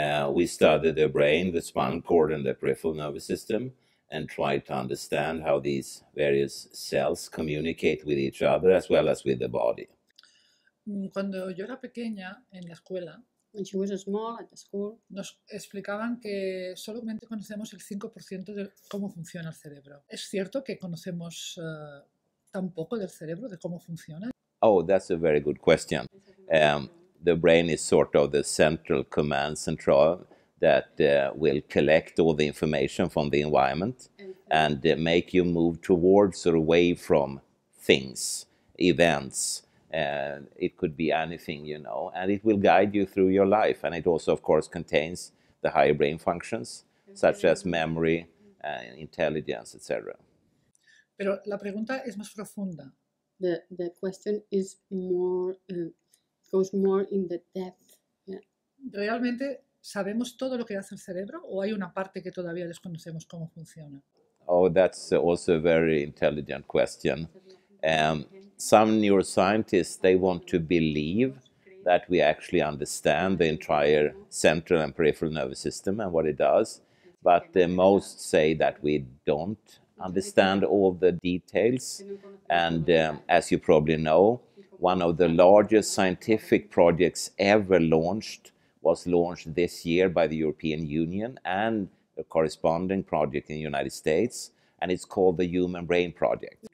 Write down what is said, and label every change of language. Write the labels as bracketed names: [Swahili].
[English] We study the brain, the spinal cord and the peripheral nervous system and try to understand how these various cells communicate with each other as well as with the body. [Spanish] Cuando yo era pequeña en la escuela, [English] when she was small at the school, [Spanish] nos explicaban que solamente conocemos el 5% de cómo funciona el cerebro. ¿Es cierto que conocemos tan poco del cerebro, de cómo funciona? [English] Oh, that's a very good question. The brain is sort of the central command central that will collect all the information from the environment and make you move towards or away from things, events. It could be anything, you know, and it will guide you through your life. And it also, of course, contains the higher brain functions, such as memory, intelligence, etc. [Spanish] Pero la pregunta es más profunda. [English] The question is more goes more in the depth. [Spanish] ¿Realmente sabemos todo lo que hace el cerebro o hay una parte que todavía desconocemos cómo funciona? [English] Oh, that's also a very intelligent question. Some neuroscientists, they want to believe that we actually understand the entire central and peripheral nervous system and what it does, but most say that we don't understand all the details, and as you probably know, one of the largest scientific projects ever launched was launched this year by the European Union and a corresponding project in the United States, and it's called the Human Brain Project.